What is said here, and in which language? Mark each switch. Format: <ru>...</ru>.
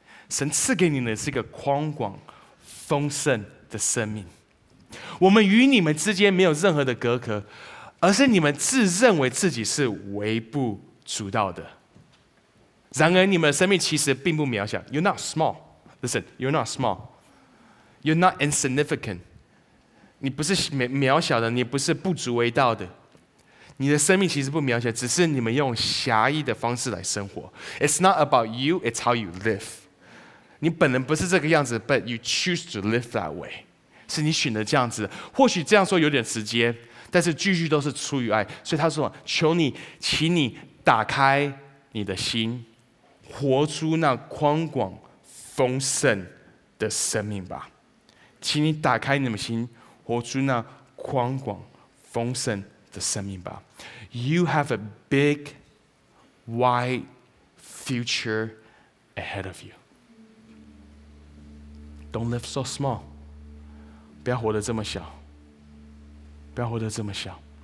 <zh>神赐给你的是一个宽广丰盛的生命，我们与你们之间没有任何的隔阂，而是你们自认为自己是微不足道的，然而你们的生命其实并不渺小。</zh> <en>You're not small. Listen, you're not smallYou're not insignificant.</en> <zh>你不是渺小的，你不是不足为道的。你的生命其实不渺小，只是你们用狭义的方式来生活。</zh> <en>It's not about you, it's how you live.</en> <zh>你本人不是这个样子，</zh> <en>but you choose to live that way.</en> <zh>是你选择这样子的。或许这样说有点直接，但是句句都是出于爱。所以他说，求你，请你打开你的心，活出那宽广丰盛的生命吧。请你打开你的心，活出那宽广丰盛的生命吧。</zh> <en>You have a big wide future ahead of you. Don't live so small.</en> <zh>不要活得这么小，不要活得这么小。</zh>